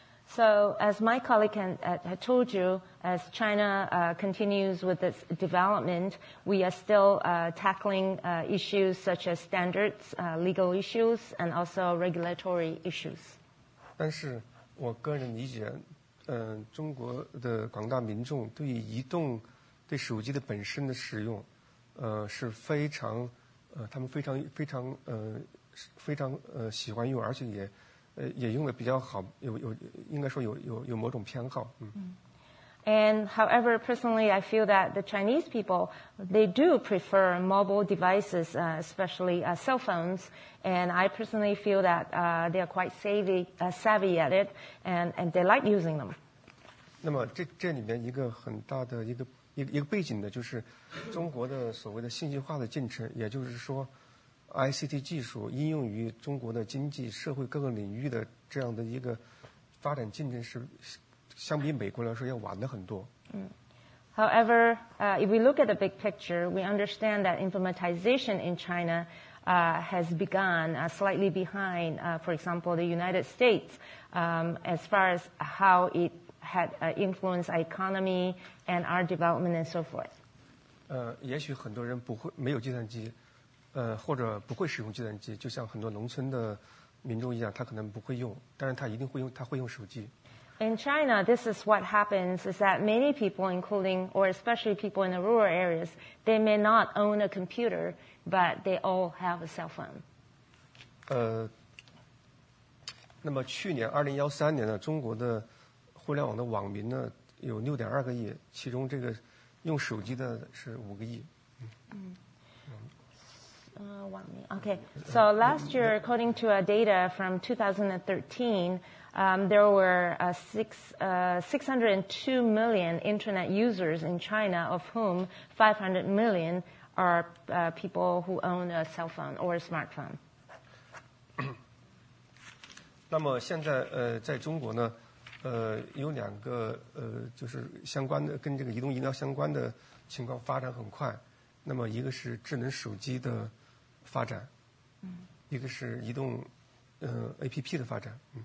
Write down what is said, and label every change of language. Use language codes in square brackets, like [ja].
[en] So as my colleague had told you, as China continues with its development, we are still tackling issues such as standards, legal issues, and also regulatory issues. [zh] 但是我个人理解，中国的广大民众对于移动、对手机的本身的使用，是非常，他们非常非常非常喜欢用，而且也。也用得比较好，应该说有某种偏好。 [en] And however, personally, I feel that the Chinese people, they do prefer mobile devices, especially cell phones. And I personally feel that they are quite savvy at it, and they like using them. [zh] 那么这里面一个很大的一个背景呢，就是中国的所谓的信息化的进程，也就是说。 ICT 技术应用于中国的经济社会各个领域的这样的一个发展进程是相比美国来说要晚了很多。 [en] However, if we look at the big picture, we understand that informatization in China has begun slightly behind, for example, the United States, as far as how it had influenced our economy and our development and so forth. [zh] 也许很多人没有计算机。或者不会使用计算机，就像很多农村的民众一样，他可能不会用，但是他一定会用，他会用手机。 [en] In China, this is what happens: is that many people, including or especially people in the rural areas, they may not own a computer, but they all have a cell phone. [zh] 那么去年2013年呢，中国的互联网的网民呢有6.2亿，其中这个用手机的是5亿。 [en] Okay, so last year, according to our data from 2013, there were 602 million internet users in China, of whom 500 million are people who own a cell phone or a smartphone. [zh] 那么现在在中国呢有两个就是相关的跟这个移动医疗相关的情况发展很快。那么一个是智能手机的发展，一个是移动APP 的发展。